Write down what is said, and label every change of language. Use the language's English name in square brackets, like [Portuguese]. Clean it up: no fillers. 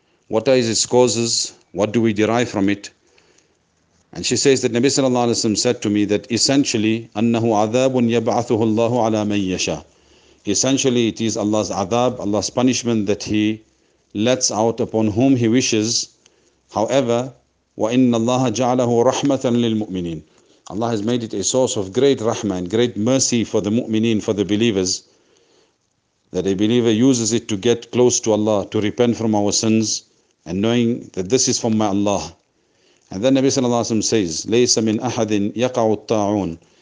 [English] What are its causes? What do we derive from it? And she says that Nabi sallallahu alayhi wa sallam said to me that essentially, [Arabic] أَنَّهُ عَذَابٌ يَبْعَثُهُ اللَّهُ عَلَى مَنْ يَشَى. [English] Essentially, it is Allah's adab, Allah's punishment that He lets out upon whom He wishes. [Arabic] However, وَإِنَّ اللَّهَ جَعَلَهُ رَحْمَةً لِلْمُؤْمِنِينَ. [English] Allah has made it a source of great rahmah and great mercy for the mu'mineen, for the believers, that a believer uses it to get close to Allah, to repent from our sins, and knowing that this is from my Allah. And then Nabi sallallahu alayhi wa sallam says, [Arabic] لَيْسَ مِنْ أَحَدٍ يَقَعُ الطَّاعُونَ.